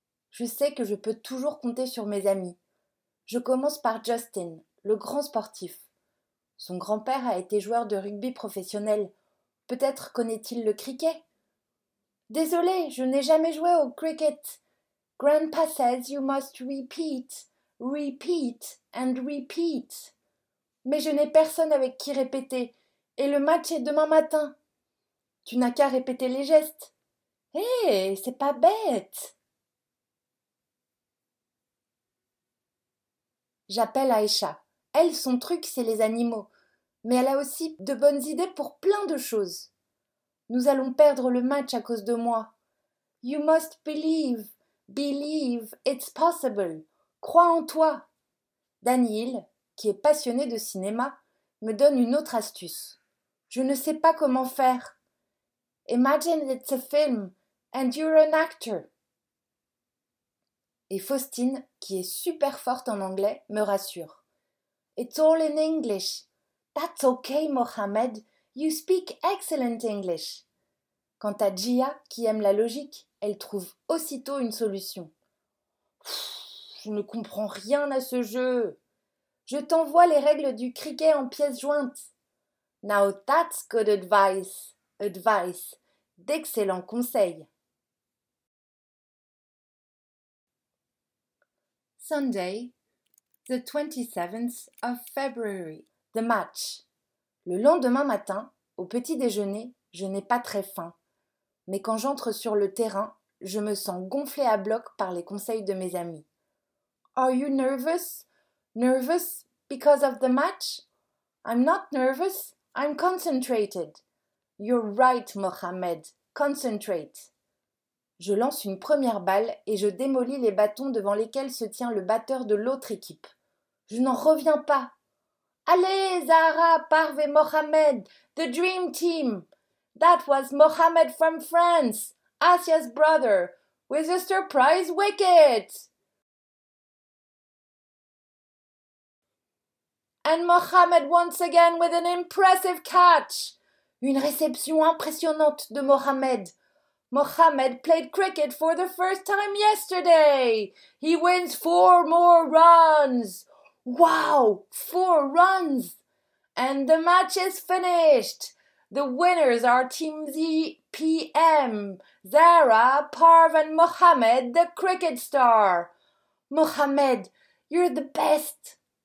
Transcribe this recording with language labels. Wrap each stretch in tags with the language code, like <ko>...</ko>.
<fr>Je sais que je peux toujours compter sur mes amis. Je commence par Justin, le grand sportif. Son grand-père a été joueur de rugby professionnel. Peut-être connaît-il le cricket? Désolé, je n'ai jamais joué au cricket.</fr> <en>Grandpa says you must repeat, repeat and repeat.</en> <fr>Mais je n'ai personne avec qui répéter. Et le match est demain matin. Tu n'as qu'à répéter les gestes. Hé, c'est pas bête. J'appelle Aïcha. Elle, son truc, c'est les animaux. Mais elle a aussi de bonnes idées pour plein de choses. Nous allons perdre le match à cause de moi.</fr> <en>You must believe. Believe it's possible.</en> <fr>Crois en toi. Daniel, qui est passionné de cinéma, me donne une autre astuce. Je ne sais pas comment faire.</fr> <en>Imagine it's a film and you're an actor.</en> <fr>Et Faustine, qui est super forte en anglais, me rassure.</fr> <en>It's all in English. That's okay, Mohamed. You speak excellent English.</en> <fr>Quant à Gia, qui aime la logique, elle trouve aussitôt une solution. Je ne comprends rien à ce jeu. Je t'envoie les règles du cricket en pièces jointes.</fr> <en>Now that's good advice. Advice.</en> <fr>D'excellents conseils.</fr> <en>Sunday, the 27th of February. The match.</en> <fr>Le lendemain matin, au petit déjeuner, je n'ai pas très faim. Mais quand j'entre sur le terrain, je me sens gonflée à bloc par les conseils de mes amis.</fr> <en>Are you nervous? Nervous because of the match? I'm not nervous. I'm concentrated. You're right, Mohamed. Concentrate.</en> <fr>Je lance une première balle et je démolis les bâtons devant lesquels se tient le batteur de l'autre équipe. Je n'en reviens pas. Allez, Zahara, Parv et Mohamed,</fr> <en>the dream team. That was Mohamed from France, Asya's brother, with a surprise wicket. And Mohamed once again with an impressive catch.</en> <fr>Une réception impressionnante de Mohamed.</fr> <en>Mohamed played cricket for the first time yesterday. He wins four more runs. Wow, four runs. And the match is finished. The winners are Team ZPM, Zahra, Parv and Mohamed, the cricket star. Mohamed, you're the best.</en>